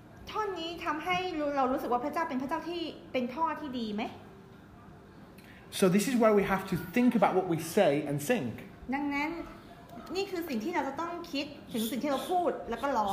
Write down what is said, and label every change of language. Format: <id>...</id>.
<th>ท่อนนี้ทำให้เรารู้สึกว่าพระเจ้าเป็นพระเจ้าที่เป็นพ่อที่ดีไหม</th> <en>So this is where we have to think about what we say and sing.</en> <th>ดังนั้นนี่คือสิ่งที่เราจะต้องคิดถึงสิ่งที่เราพูดแล้วก็ร้อง</th>